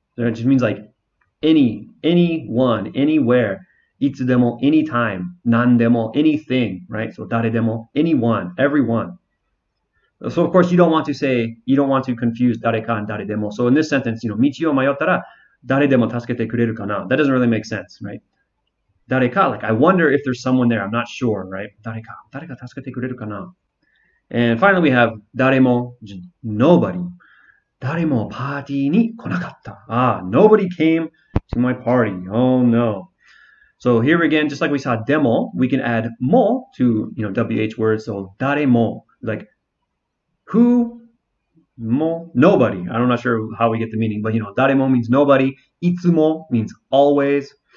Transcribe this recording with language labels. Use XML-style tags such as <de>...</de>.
<en>It just means like anyone, anywhere, いつでも, anytime, 何でも, anything, right? So 誰でも, anyone, everyone. So, of course, you don't want to confuse 誰か and 誰でも. So, in this sentence, you know,</en> <ja>道を迷ったら誰でも助けてくれるかな?</ja> <en>That doesn't really make sense, right? 誰か, like, I wonder if there's someone there. I'm not sure, right?</en> <ja>誰か, 誰か助けてくれるかな?</ja> <en>And finally, we have 誰も, nobody.</en> <ja>誰もパーティーに来なかった.</ja> <en>Ah, nobody came to my party. Oh, no. So, here again, just like we saw 誰も, we can add 誰も to, you know, WH words. So, 誰も, like, who, mo, nobody. I'm not sure how we get the meaning, but you know, 誰も means nobody. いつも means always.</en>